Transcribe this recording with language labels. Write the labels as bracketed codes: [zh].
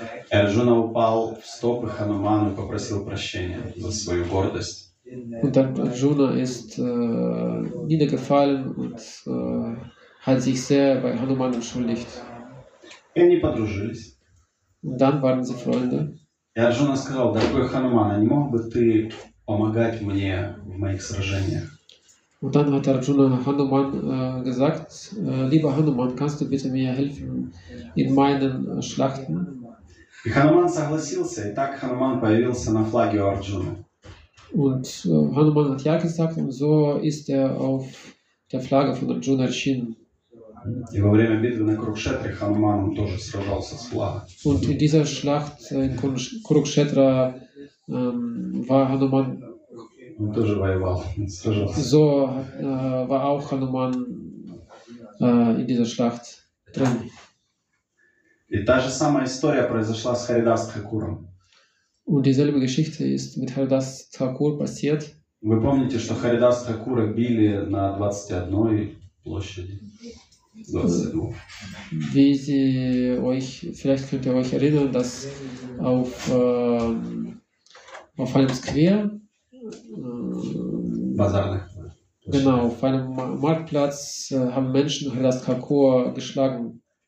[ru] Arjuna упал в стопы Хануману и попросил прощения за свою гордость. [de] Und Arjuna ist niedergefallen und hat sich sehr bei Hanuman entschuldigt. [ru] И они подружились. [de] Und dann waren sie Freunde. [ru] И Арджуна сказал: «Дорогой Хануман, не мог бы ты помогать мне в моих сражениях?» [de] Und dann hat Arjuna Hanuman gesagt: «Lieber Hanuman, kannst du bitte mir helfen in meinen Schlachten?» [ru] И Хануман согласился, и так Хануман появился на флаге у Арджуны. [de] Und Hanuman hat ja gesagt, und so ist er auf der Flagge von Arjuna erschienen. [ru] И во время битвы на Курукшетре Хануман тоже сражался с флагой. [de] Und in dieser Schlacht in Kurukshetra war Hanuman. [ru] Он тоже воевал, сражался. [de] So war auch Hanuman in dieser Schlacht drin. [ru] И та же самая история произошла с Харидас Тхакуром. [de] Und dieselbe Geschichte ist mit Haridas Thakur passiert. [ru] Вы помните, что Харидас Тхакура били на 21 площади? [de] Wie sie euch, vielleicht könnt ihr euch erinnern, dass auf einem Square, genau, auf einem Marktplatz haben Menschen Haridas Thakur geschlagen.